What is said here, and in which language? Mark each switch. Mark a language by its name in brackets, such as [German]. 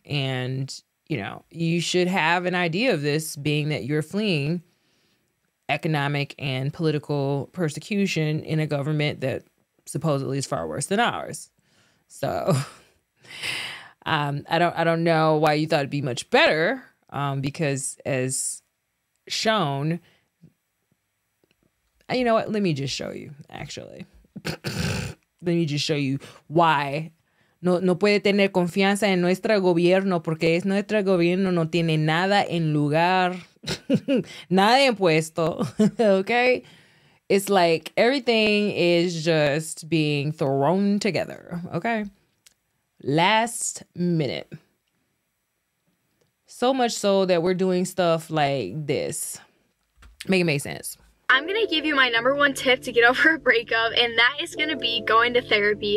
[English] And, you know, you should have an idea of this, being that you're fleeing economic and political persecution in a government that supposedly is far worse than ours. So I don't know why you thought it'd be much better, because as shown, you know what? Let me just show you, actually. Let me just show you why. [Spanish] No puede tener confianza en nuestro gobierno porque es nuestro gobierno no tiene nada en lugar, nada en puesto, okay? [English] It's like everything is just being thrown together, okay? Last minute. So much so that we're doing stuff like this. Make sense. I'm going to give you my number one tip to get over a breakup, and that is going to be going to therapy.